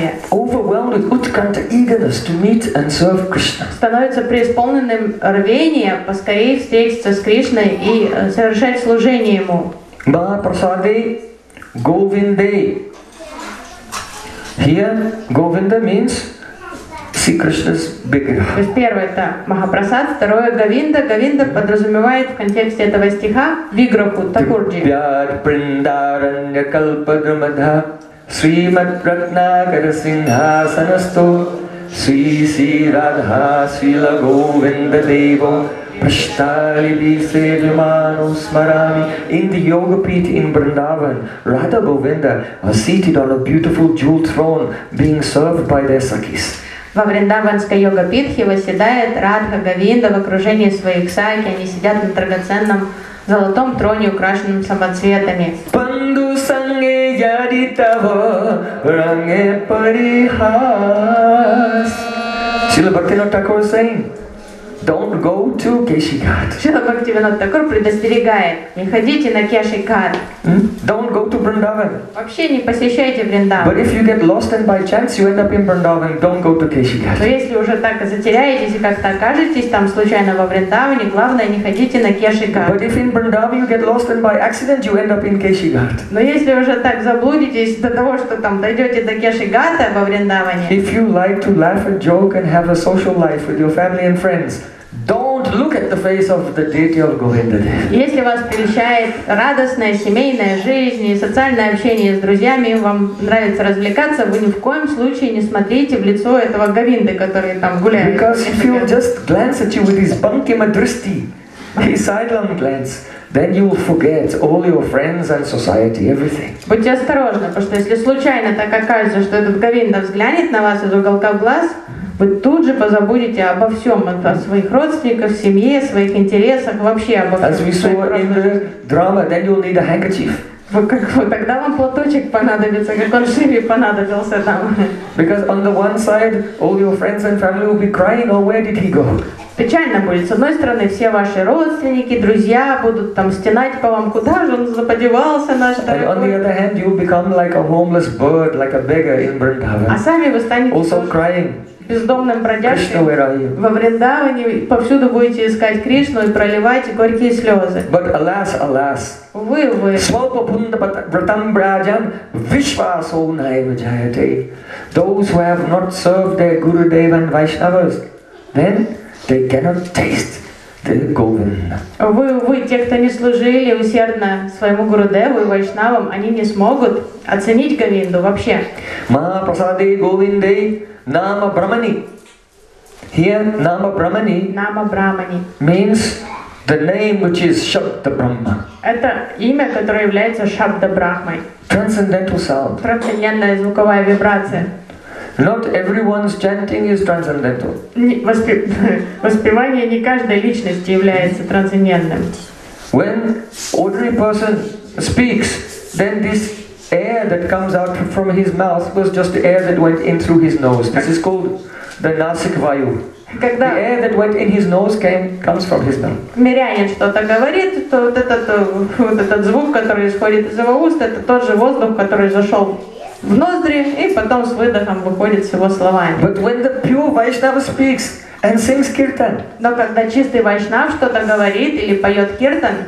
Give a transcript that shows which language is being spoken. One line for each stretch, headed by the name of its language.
English: Overwhelmed with utkanta eagerness to meet and serve Krishna.
Russian: Становится преисполненным рвением поскорее встретиться с Кришной и совершать служение ему.
English: Mahaprasade Govinde. Here Govinda means see Krishna's big heart.
Russian: То есть первое это Махапрасад, второе Говинда. Говинда подразумевает в контексте этого стиха Виграху Такурджи.
Sanskrit: Дивьяр Бриндаранья Калпадрамадха Шримад Ратнакара Сингхасанасто Шри Си Радха Шрила Говинда Дево Prashtali Bise Vimano Smarami.
English: In the Yoga Pit in Vrindavan, Radha Govinda was seated on a beautiful jewel throne being served by their sakis.
Russian: Во Вриндаванской Йога Питхе восседает Радха Говинда в окружении своих саки. Они сидят на драгоценном золотом троне, украшенном самоцветами.
Sanskrit: Панду Санге Ядитава Ранге Парихас.
English: Srila Bhaktivinoda Thakur was saying, don't go to Keshi Ghat.
Russian: Srila Bhaktivinoda Thakur предостерегает, не ходите на Кеши Гхат.
English: Don't go to Vrindavan.
Russian: Вообще не посещайте Вриндаван.
English: But if you get lost and by chance you end up in Vrindavan, don't go to Keshi Ghat.
Russian: Но если уже так затеряетесь и как-то окажетесь там случайно во Вриндаване, главное не ходите на Кеши Гхат.
English: But if in Vrindavan you get lost and by accident you end up in Keshi Ghat.
Russian: Но если уже так заблудитесь до того, что там дойдете до Кеши Гхата во Вриндаване.
English: If you like to laugh and joke and have a social life with your family and friends, don't look at the face of the deity of Govinda.
Russian: Если вас прельщает радостная семейная жизнь и социальное общение с друзьями, вам нравится развлекаться, вы ни в коем случае не смотрите в лицо этого Говинды, который там гуляет.
English: Because if he'll just glance at you with his bankima drishti, his sidelong glance, then you will forget all your friends and society, everything.
Russian: Будьте осторожны, потому что если случайно так окажется, что этот Говинда взглянет на вас из уголка глаз, вы тут же позабудете обо всем, о своих родственниках, семье, своих интересах, вообще обо всем.
English: As we saw in the drama, then you'll need a handkerchief.
Russian: Тогда вам платочек понадобится, как он шире понадобился там.
English: Because on the one side, all your friends and family will be crying, oh, where did he go?
Russian: Печально будет. С одной стороны, все ваши родственники, друзья будут там стенать по вам, куда же он заподевался, наш дорогой.
English: And on the other hand, you'll become like a homeless bird, like a beggar in Vrindavan.
Russian: А сами вы станете
English: also crying.
Russian: Бездомным бродяжкой во Вриндаване повсюду будете искать Кришну и проливать горькие слезы.
English: But alas, alas.
Russian: Увы.
Sanskrit: Свалпа пунда братам браджам вишвасо наива джаяте.
English: Those who have not served their Guru Devan Vaishnavas, then they cannot taste the Govinda.
Russian: Увы, те, кто не служили усердно своему Гуру Деву и Вайшнавам, они не смогут оценить Говинду вообще.
Sanskrit: Махапрасаде Говинде Nama Brahmani. Here, Nama Brahmani. Nama Brahmani
English: means the name which is Shabda Brahma.
Russian: Это имя, которое является Шабда Брахмой.
English: Transcendental sound.
Russian: Трансцендентная звуковая вибрация.
English: Not everyone's chanting is transcendental.
Russian: Воспевание не каждой личности является трансцендентным.
English: When ordinary person speaks, then this air that comes out from his mouth was just the air that went in through his nose. This is called the nasik vayu.
Russian: Когда
English: the air that went in his nose comes from his mouth.
Russian: Мирянин что-то говорит, то вот этот звук, который исходит из его уст, это тот же воздух, который зашел в ноздри и потом с выдохом выходит с его словами.
English: But when the pure Vaishnava speaks, and sings kirtan.
Russian: Но когда чистый вайшнав что-то говорит или поет киртан,